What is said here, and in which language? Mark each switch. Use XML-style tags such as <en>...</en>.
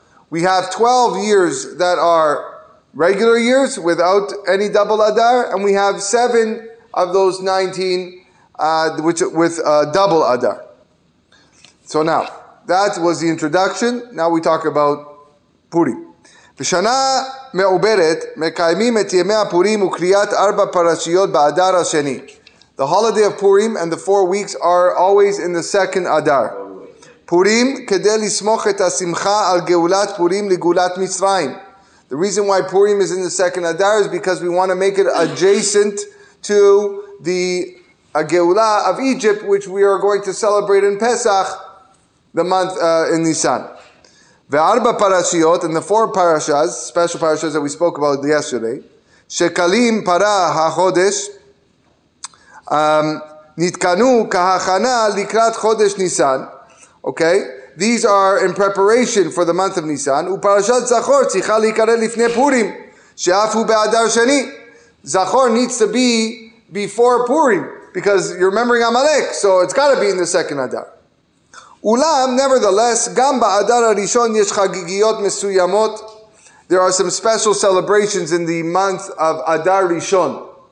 <en>We have 12 years that are regular years without any double Adar, and we have 7 of those 19 double Adar. So now, that was the introduction. Now we talk about Purim.</en> <he>בשנה מעוברת מקיימים את ימי הפורים וקריאת ארבע פרשיות באדר השני.</he> <en>The holiday of Purim and the 4 weeks are always in the second Adar.</en> <he>פורים כדי לסמוך את השמחה על גאולת פורים לגאולת מצרים.</he> <en>The reason why Purim is in the second Adar is because we want to make it adjacent to the Geula of Egypt, which we are going to celebrate in Pesach, the month in Nisan.</en> <he>וארבע פרשיות,</he> <en>and the 4 parashas, special parashas that we spoke about yesterday,</en> <he>שקלים פרה החודש, נתקנו כהכנה לקראת חודש ניסן.</he> <en>Okay, these are in preparation for the month of Nisan.</en> <he>ופרשת זכור צריכה להיקרא לפני פורים, שאף הוא באדר שני.</he> <en>זכור needs to be before Purim, because you're remembering Amalek, so it's got to be in the second Adar.</en> <he>Ulam,</he> <en>nevertheless,</en> <he>gam ba'adar ha-rishon yesh chagigiyot mesuyamot.</he> <en>There are some special celebrations in the month of Adar Rishon.</en>